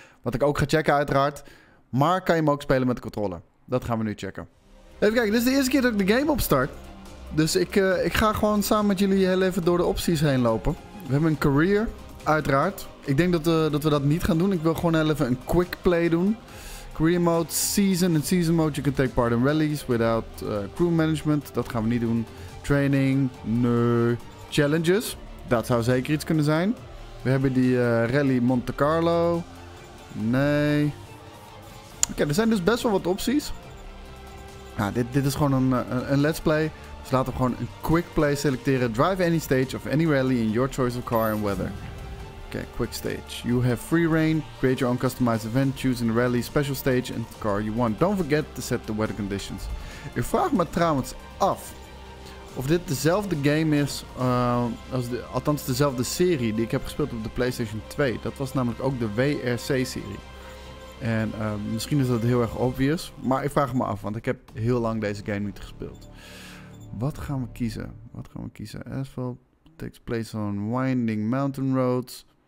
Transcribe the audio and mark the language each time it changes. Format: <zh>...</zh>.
<nl>Wat ik ook ga checken uiteraard. Maar kan je hem ook spelen met de controller? Dat gaan we nu checken. Even kijken, dit is de eerste keer dat ik de game opstart. Dus ik ga gewoon samen met jullie heel even door de opties heen lopen. We hebben een career, uiteraard. Ik denk dat we dat niet gaan doen. Ik wil gewoon heel even een quick play doen.</nl> <en>Career mode, season. In season mode you can take part in rallies without crew management.</en> <nl>Dat gaan we niet doen. Training, nee. Challenges, dat zou zeker iets kunnen zijn. We hebben die rally Monte Carlo. Nee. Oké, er zijn dus best wel wat opties. Nou, dit is gewoon een let's play. Dus laten we gewoon een quick play selecteren.</nl> <en>Drive any stage of any rally in your choice of car and weather. Oké, quick stage. You have free reign. Create your own customized event. Choose in the rally, special stage and car you want. Don't forget to set the weather conditions.</en> <nl>Ik vraag me trouwens af of dit dezelfde game is, althans dezelfde serie die ik heb gespeeld op de PlayStation 2. Dat was namelijk ook de WRC-serie. En misschien is dat heel erg obvious, maar ik vraag me af, want ik heb heel lang deze game niet gespeeld. Wat gaan we kiezen?</nl> <en>Asphalt takes place on winding mountain roads.</en>